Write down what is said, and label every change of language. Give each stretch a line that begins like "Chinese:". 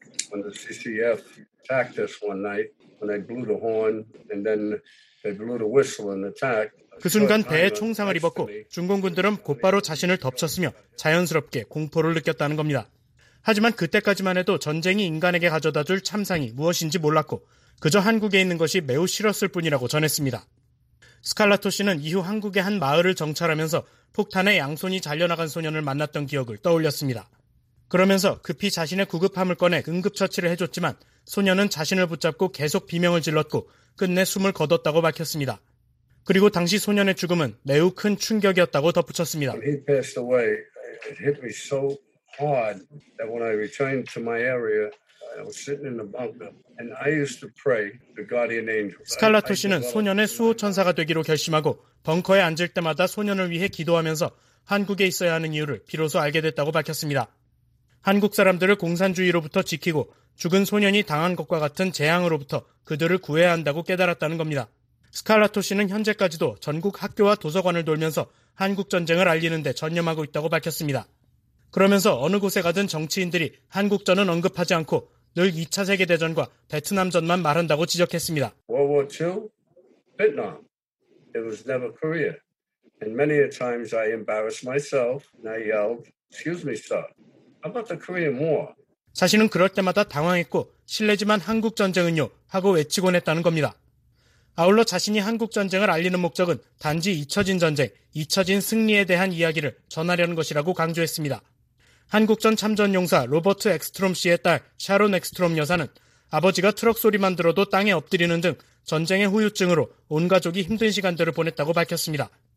English: when the CCF attacked us one night when they blew the horn and then they blew the whistle and attacked.
Korean: 그 순간 배에 총상을 입었고 중공군들은 곧바로 자신을 덮쳤으며 자연스럽게 공포를 느꼈다는 겁니다. 하지만 그때까지만 해도 전쟁이 인간에게 가져다 줄 참상이 무엇인지 몰랐고 그저 한국에 있는 것이 매우 싫었을 뿐이라고 전했습니다. 스칼라토 씨는 이후 한국의 한 마을을 정찰하면서 폭탄에 양손이 잘려나간 소년을 만났던 기억을 떠올렸습니다. 그러면서 급히 자신의 구급함을 꺼내 응급처치를 해줬지만 소년은 자신을 붙잡고 계속 비명을 질렀고 끝내 숨을 거뒀다고 밝혔습니다. 그리고 당시 소년의 죽음은 매우 큰 충격이었다고 덧붙였습니다.
English: When he passed away, it hit me so hard that when I returned to my area, I was sitting in the bunker and I used to pray the guardian angel.
Korean: 스칼라토 씨는 소년의 수호 천사가 되기로 결심하고 벙커에 앉을 때마다 소년을 위해 기도하면서 한국에 있어야 하는 이유를 비로소 알게 됐다고 밝혔습니다. 한국 사람들을 공산주의로부터 지키고 죽은 소년이 당한 것과 같은 재앙으로부터 그들을 구해야 한다고 깨달았다는 겁니다. 스칼라토 씨는 현재까지도 전국 학교와 도서관을 돌면서 한국 전쟁을 알리는 데 전념하고 있다고 밝혔습니다. 그러면서 어느 곳에 가든 정치인들이 한국전은 언급하지 않고 늘 2차 세계대전과 베트남전만 말한다고 지적했습니다.
English: World War II, Vietnam. It was never Korea. And many a times I embarrassed myself and I yelled, excuse me, sir. How about the Korean War?
Korean: 자신은 그럴 때마다 당황했고 실례지만 한국전쟁은요 하고 외치곤 했다는 겁니다. 아울러 자신이 한국전쟁을 알리는 목적은 단지 잊혀진 전쟁, 잊혀진 승리에 대한 이야기를 전하려는 것이라고 강조했습니다. 한국전 참전용사 로버트 엑스트롬 씨의 딸 샤론 엑스트롬 여사는 아버지가 트럭 소리만 들어도 땅에 엎드리는 등 전쟁의 후유증으로 온 가족이 힘든 시간들을 보냈다고 밝혔습니다.